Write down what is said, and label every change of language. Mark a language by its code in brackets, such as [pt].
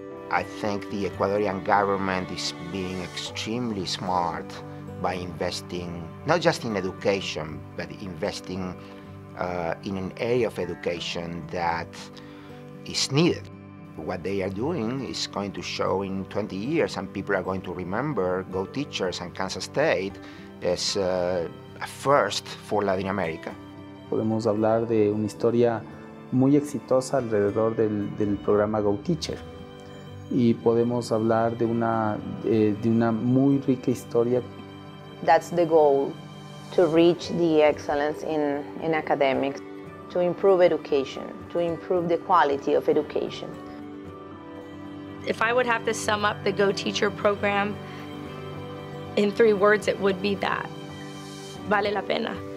[en] I think the Ecuadorian government is being extremely smart by investing, not just in education, but investing in an area of education that is needed. What they are doing is going to show in 20 years, and people are going to remember GO Teachers and Kansas State as a first for Latin America. [es] Podemos hablar de una historia muy exitosa alrededor del programa GO Teacher. Y podemos hablar de una muy rica historia. [en] That's the goal, to reach the excellence in academics, to improve education, to improve the quality of education. If I would have to sum up the GO Teacher program in three words, it would be that. [es] Vale la pena.